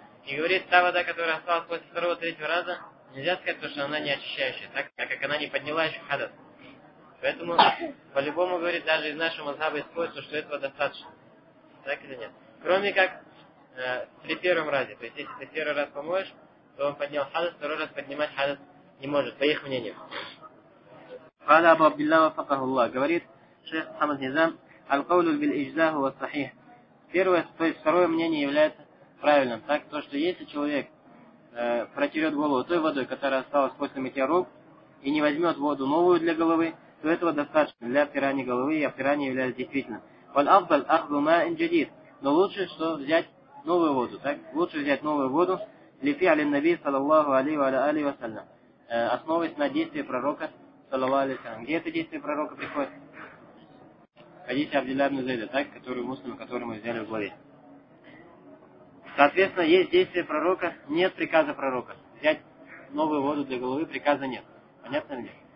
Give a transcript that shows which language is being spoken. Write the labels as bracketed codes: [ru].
[ru] И говорит, та вода, которая осталась после второго, третьего раза, нельзя сказать, то, что она не очищающая, так как она не подняла еще хадас. Поэтому, по-любому, говорит, даже из нашего мазхаба исходит, что этого достаточно. Так или нет? Кроме как, при первом разе. То есть если ты первый раз помоешь, то он поднял хадас, второй раз поднимать хадас не может, по их мнению. [ar] قال أبو عبد الله وفقه الله [ru] говорит [ar] شيخ محمد Низам القول بالإجزاء هو صحيح. [ru] Первое, то есть второе мнение является правильным. Так то, что если человек протерет голову той водой, которая осталась после мытья рук, и не возьмет воду новую для головы, то этого достаточно для опирания головы, и опирание является действительным. [ar] والأفضل أخذ ماء جديد. [ru] Но лучше, что взять новую воду, так? Лучше взять новую воду [ar] لفعل النبي صلى الله عليه وآله وسلم. [ru] Основываясь на действии пророка [ar] صلى الله عليه وسلم. [ru] Где это действие пророка приходит? Хадисе Абдилля ибн Зайда, так? Который муслим, который мы взяли в главе. Соответственно, есть действие пророка, нет приказа пророка. Взять новую воду для головы, приказа нет. Понятно ли?